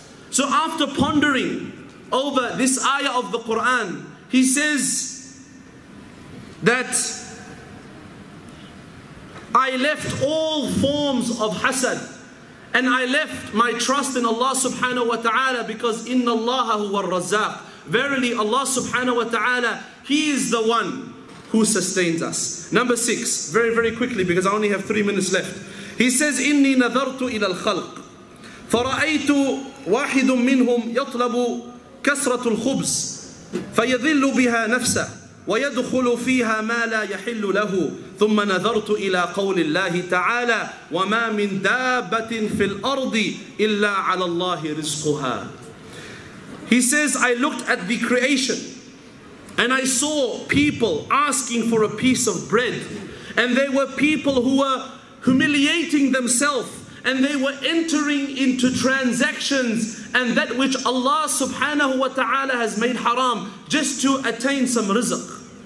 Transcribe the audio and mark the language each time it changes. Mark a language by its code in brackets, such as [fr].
[en] So after pondering over this ayah of the Quran, he says that I left all forms of hasad. And I left my trust in Allah subhanahu wa ta'ala, because [ar] إِنَّ اللَّهَ هُوَ الرَّزَّاقُ. [en] Verily Allah subhanahu wa ta'ala, He is the one who sustains us. Number six, very, very quickly, because I only have 3 minutes left. He says, [ar] إِنِّي نَذَرْتُ إِلَى الْخَلْقِ فَرَأَيْتُ وَاحِدٌ مِّنْهُمْ يَطْلَبُ كَسْرَةُ الْخُبْزِ فَيَذِلُّ بِهَا نَفْسَهُ ويدخل فيها ما لا يحل له ثم نظرت إلى قول الله تعالى وما من دابة في الأرض إلا على الله رزقها. [en] He says, I looked at the creation and I saw people asking for a piece of bread. And they were people who were humiliating themselves, and they were entering into transactions and that which Allah subhanahu wa ta'ala has made haram just to attain some rizq.